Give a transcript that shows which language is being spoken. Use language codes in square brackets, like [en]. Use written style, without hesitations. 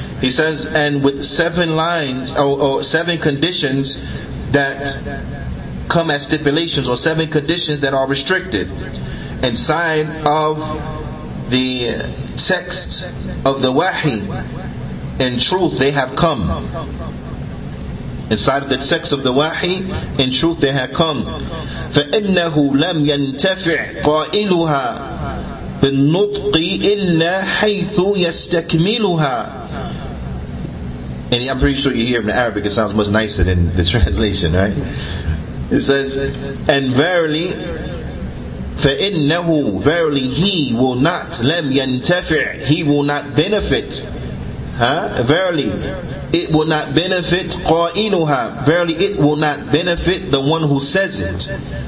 [en] He says, and with seven lines, or seven conditions that come as stipulations, or seven conditions that are restricted inside of the text of the wahi, in truth they have come. Inside of the text of the wahi, in truth they have come. [ar] فَإِنَّهُ لَمْ يَنْتَفِعْ قَائِلُهَا بالنطق إلا حيث يستكملها. [en] And I'm pretty sure you hear it in Arabic, it sounds much nicer than the translation, right? It says, and verily, فَإِنَّهُ verily he will not, [ar] لَمْ يَنْتَفِعْ [en] he will not benefit, huh? Verily, it will not benefit قائلها, verily it will not benefit the one who says it.